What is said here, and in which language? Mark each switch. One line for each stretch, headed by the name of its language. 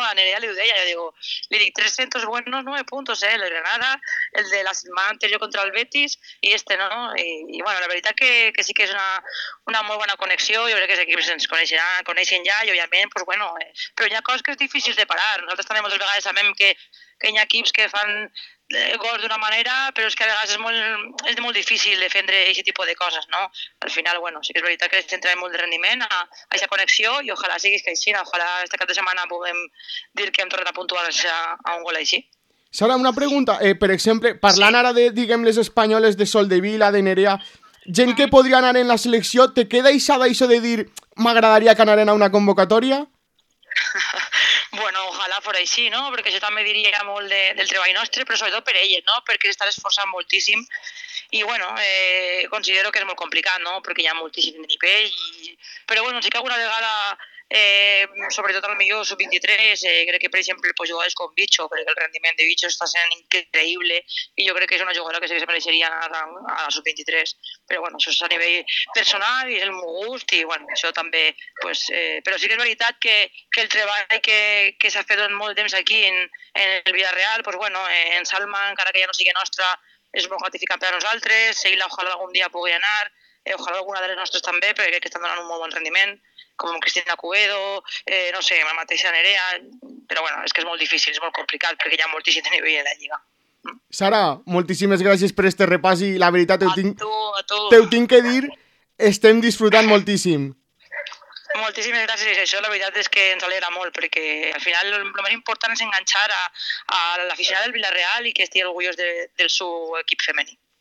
Catalan: A Nerea li ho deia, jo digo, li dic,
Spanish: 300 buenos, 9 puntos,
Catalan: el Granada, el de la setmana anterior contra el Betis, i este, no? I bueno, la veritat que sí que és una molt bona connexió, jo crec que els equips ens coneixen ja, i òbviament, pues bueno, però hi ha coses que és difícil de parar. Nosaltres també moltes vegades sabem que hi ha equips que fan gols d'una manera, però és que a vegades és molt difícil defendre aquest tipus de coses, no? Al final, bueno, sí que és veritat que ens entra molt de rendiment a aquesta connexió i ojalà sigui així, ojalà aquesta cap de setmana puguem dir que hem tornat a puntuar a un gol així. Sara, una pregunta, per exemple, parlant ara de, diguem, les espanyoles de Soldevila, de Nerea, gent que podria anar en la selecció, te queda aixada això de dir m'agradaria que anaren a una convocatòria?
Spanish: Bueno, ojalá fuera así, ¿no? Porque yo también diría
Catalan: molt del treball nostre,
Spanish: pero sobre todo per ellos, ¿no? Porque se están esforzando muchísimo y bueno, considero que es muy complicado, ¿no? Porque ya muchísimo de nivel y... Pero bueno, sí que alguna vegada, sobre todo a lo mejor sub-23, creo que por ejemplo pues jugadores con Bicho, porque el rendimiento de Bicho está siendo increíble y yo creo que es una jugadora que sí que se merecería a la sub-23, pero bueno, eso es a nivel personal y es el muy gusto y bueno, eso también, pues, pero sí que es verdad que el trabajo que se ha hecho
Catalan: en molt temps
Spanish: aquí en el Villarreal, pues bueno, en Salma, encara que ya no sigue nuestra, es muy gratificante para nosotros, seguirla ojalá algún día pueda ganar, ojalá alguna de las nuestras también, porque creo que están dando un muy buen rendimiento.
Catalan: Com Cristina Cubedo, no sé, la mateixa Nerea, però bueno, és que és molt difícil, és molt complicat, perquè hi ha moltíssim nivell de la Lliga. Sara, moltíssimes gràcies per este repàs i la veritat te ho tinc que dir, estem disfrutant moltíssim. Moltíssimes gràcies, i això la veritat és que ens alegra molt, perquè al final el més important és enganxar a l'aficionat del Villarreal i que estigui orgullós del seu equip femení.